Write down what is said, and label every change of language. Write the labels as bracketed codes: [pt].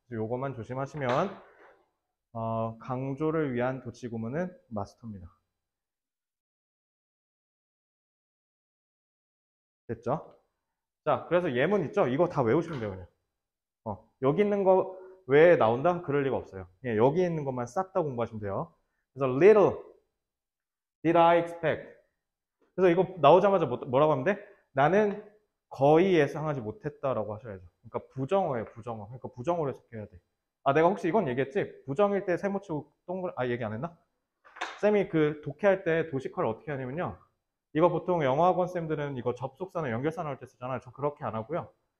[ko] 요것만 조심하시면 강조를 위한 도치구문은 마스터입니다. 됐죠? 자, 그래서 예문 있죠? 이거 다 외우시면 돼요, 그냥. 여기 있는 거 외에 나온다? 그럴 리가 없어요. 예, 여기 있는 것만 싹다 공부하시면 돼요. [en] 그래서 little did I expect. [ko] 그래서 이거 나오자마자 뭐라고 하면 돼? 나는 거의 예상하지 못했다라고 하셔야죠. 그러니까 부정어예요, 부정어. 그러니까 부정어로 해석해야 돼. 아, 내가 혹시 이건 얘기했지? 부정일 때 세모치고 동그라미, 아, 얘기 안 했나? 쌤이 그 독해할 때 도식화를 어떻게 하냐면요. 이거 보통 영어학원 쌤들은 이거 접속사나 연결사나 할때 쓰잖아요. 저 그렇게 안 하고요.